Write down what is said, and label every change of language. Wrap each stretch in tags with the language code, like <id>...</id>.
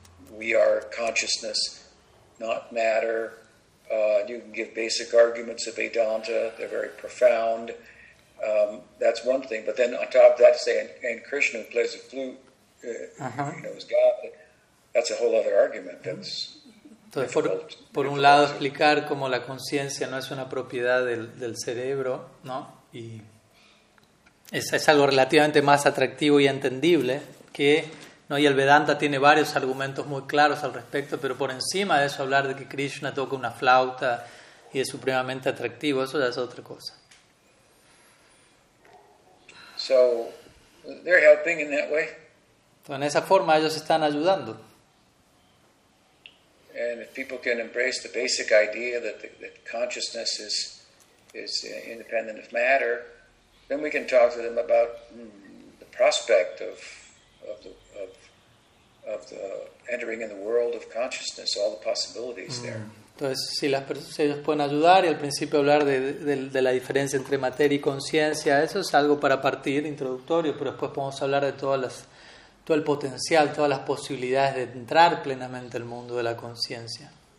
<en>We are consciousness, not matter. You can give basic arguments of Vedanta. They're very profound. That's one thing. But then on top of that, say, and Krishna who plays a flute, you know, is God. That's a whole other argument. That's</en> <es>entonces, por un lado, explicar cómo la conciencia no es una propiedad del cerebro, ¿no? Y es algo relativamente más atractivo y entendible que, ¿no? Y el Vedanta tiene varios argumentos muy claros al respecto, pero por encima de eso hablar de que Krishna toca una flauta y es supremamente atractivo, eso ya es otra cosa.</es> <en>So, they're helping in that way.</en> <es>Entonces, en esa forma ellos están ayudando.</es> <en>And if people can embrace the basic idea that consciousness is independent of matter, then we can talk to them about the prospect of the entering in the world of consciousness, all the possibilities there.</en> <es>Entonces, si ellos pueden ayudar y al principio hablar de la diferencia entre materia y conciencia, eso es algo para partir, introductorio, pero después podemos hablar de todo el potencial, todas las posibilidades de entrar plenamente al mundo de la conciencia.</es>